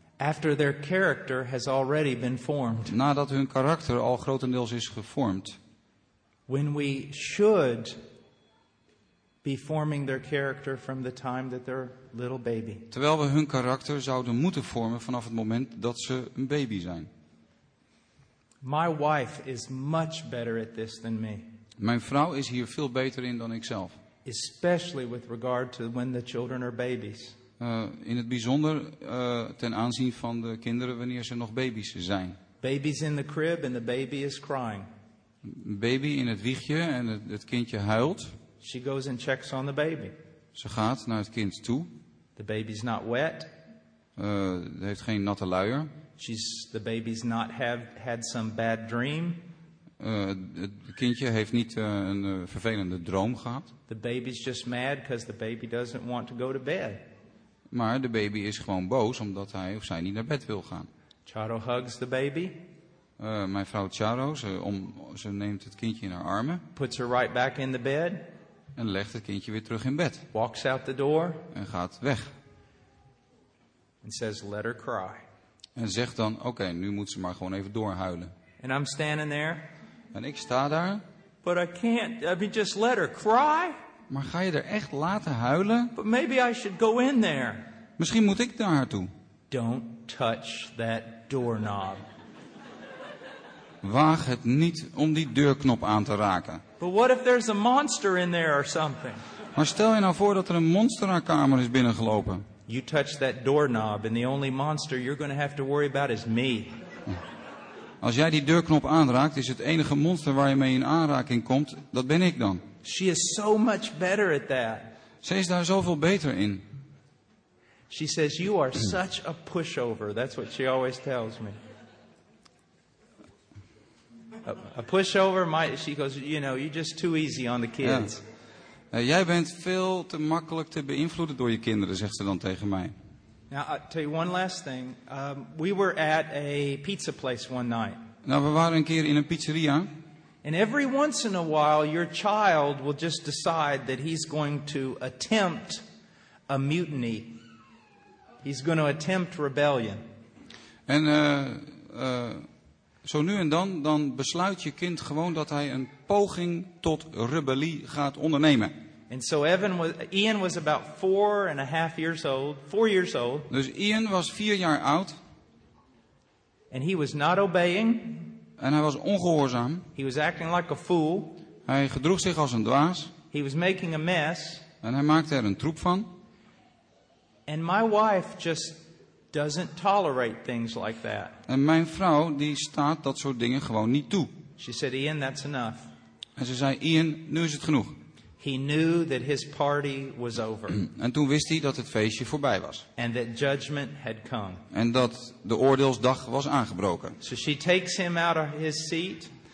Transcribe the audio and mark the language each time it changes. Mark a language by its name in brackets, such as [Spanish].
[English] After their character has already been formed. [Dutch] Nadat hun karakter al grotendeels is gevormd. [English] When we should be forming their character from the time that they're little baby. [Dutch] Terwijl we hun karakter zouden moeten vormen vanaf het moment dat ze een baby zijn. [English] My wife is much better at this than me. [Dutch] Mijn vrouw is hier veel beter in dan ikzelf. [English] Especially with regard to when the children are babies. [Dutch] In het bijzonder ten aanzien van de kinderen wanneer ze nog baby's zijn. [English] Babies in the crib and the baby is crying. [Dutch] Baby in het wiegje en het kindje huilt. [English] She goes and checks on the baby. [Dutch] Ze gaat naar het kind toe. [English] The baby's not wet. [Dutch] Heeft geen natte luier. [English] The baby's not had some bad dream. [Dutch] Het kindje heeft niet een vervelende droom gehad. [English] The baby's just mad because the baby doesn't want to go to bed. [Dutch] Maar de baby is gewoon boos omdat hij of zij niet naar bed wil gaan. [English] Charo hugs the baby. [Dutch] Mijn vrouw Charo, ze neemt het kindje in haar armen. [English] Puts her right back in the bed. [Dutch] En legt het kindje weer terug in bed. [English] Walks out the door. [Dutch] En gaat weg. [English] And says, let her cry. [Dutch] En zegt dan, oké, nu moet ze maar gewoon even doorhuilen. [English] And I'm standing there. [Dutch] En ik sta daar. [English] But I can't. I mean, just let her cry. [Dutch] Maar ga je er echt laten huilen? [English] But maybe I should go in there. [Dutch] Misschien moet ik naar haar toe. [English] Don't touch that doorknob. [Dutch] Waag het niet om die deurknop aan te raken. [English] But what if there's a monster in there or something? [Dutch] Maar stel je nou voor dat er een monster naar kamer is binnengelopen. [English] You touch that doorknob and the only monster you're going to have to worry about is me. [Dutch] Als jij die deurknop aanraakt, is het enige monster waar je mee in aanraking komt, dat ben ik dan. [English] She is so much better at that. [Dutch] Ze is daar zoveel beter in. [English] She says you are such a pushover. That's what she always tells me. A pushover, she goes, you know, you're just too easy on the kids. [Dutch] Ja. Jij bent veel te makkelijk te beïnvloeden door je kinderen, zegt ze dan tegen mij. [English] Now, I'll tell you one last thing. We were at a pizza place one night. [Dutch] Nou, we waren een keer in een pizzeria. [English] And every once in a while, your child will just decide that he's going to attempt a mutiny. He's going to attempt rebellion. [Dutch] En Zo nu en dan, dan besluit je kind gewoon dat hij een poging tot rebellie gaat ondernemen. [English] And so Evan was, Ian was about 4.5 years old, 4 years old. [Dutch] Dus Ian was 4 jaar oud. [English] And he was not obeying. [Dutch] En hij was ongehoorzaam. [English] He was acting like a fool. [Dutch] Hij gedroeg zich als een dwaas. [English] He was making a mess. [Dutch] En hij maakte er een troep van. [English] And my wife just doesn't tolerate things like that. [Dutch] En mijn vrouw die staat dat soort dingen gewoon niet toe. [English] She said, Ian, that's enough. [Dutch] En ze zei, Ian, nu is het genoeg. [English] He knew that his party was over. [Dutch] En toen wist hij dat het feestje voorbij was. [English] And that judgment had come. [Dutch] En dat de oordeelsdag was aangebroken. [English] So she takes him out of his seat.